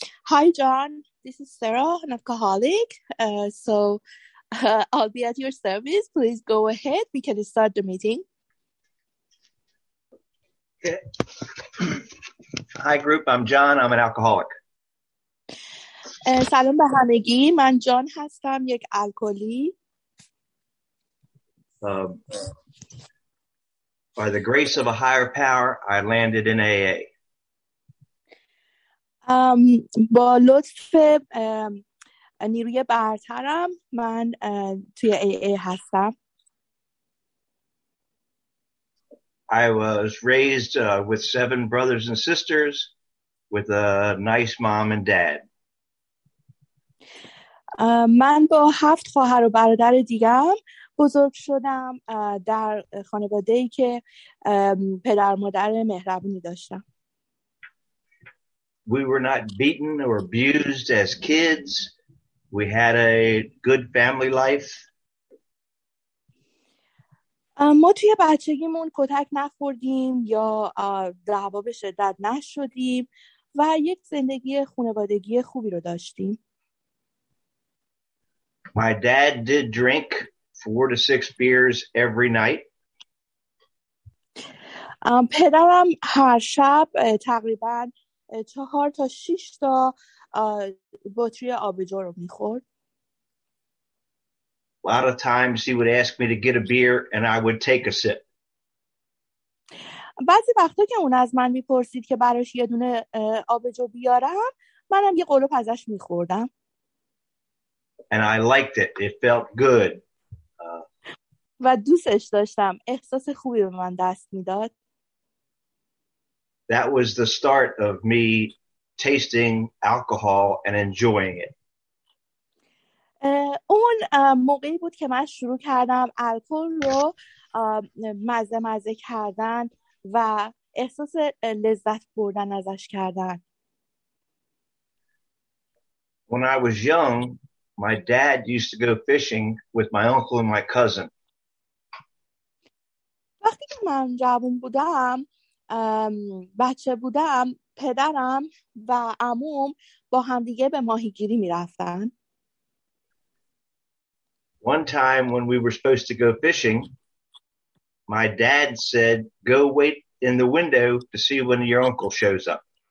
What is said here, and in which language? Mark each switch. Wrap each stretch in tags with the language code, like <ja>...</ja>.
<en>Hey John, this is Sara, an alcoholic. So I be at your service, please go ahead, we can start the meeting. Hi group, I'm John. I'm an alcoholic.</en> <fa>سلام به همگی، من جان هستم، یک الکلی.</fa> <en>By the grace of a higher power, I landed in AA.</en> <fa>با لطف نیروی برترم من توی AA هستم.</fa> <en>I was raised with seven brothers and sisters with a nice mom and dad.</en> <fa>من با هفت خواهر و برادر دیگرم بزرگ شدم در خانواده‌ای که پدر مادر مهربونی داشتم.</fa> <en>We were not beaten or abused as kids. We had a good family life.</en> <fa>ما توی بچگیمون کتک نخوردیم یا دعوا به شدت نشدیم و یک زندگی خانوادگی خوبی رو داشتیم.</fa> <en>My dad did drink 4 to 6 beers every night.</en> <fa>پدرم هر شب تقریبا 4 تا 6 تا بطری آبجو رو می‌خورد.</fa> <en>A lot of times he would ask me to get a beer and I would take a sip.</en> <fa>بعضی وقتا که اون از من می‌پرسید که براش یه دونه آبجو بیارم، منم یه قلوپ ازش می‌خوردم.</fa> <en>And I liked it. It felt good.</en> <fa>و دوستش داشتم. احساس خوبی به من دست میداد.</fa> <en>That was the start of me tasting alcohol and enjoying it.</en> <fa>اون موقعی بود که من شروع کردم الکل رو مزه مزه کردن و احساس لذت بردن ازش کردن.</fa> <en>When I was young, my dad used to go fishing with my uncle and my cousin.</en> <fa>وقتی که من جوان بودم، بچه بودم، پدرم و عموم با همدیگه به ماهیگیری می رفتن.</fa> <en>One time when we were supposed to go fishing, my dad said, go wait in the window to see when your uncle shows up.</en>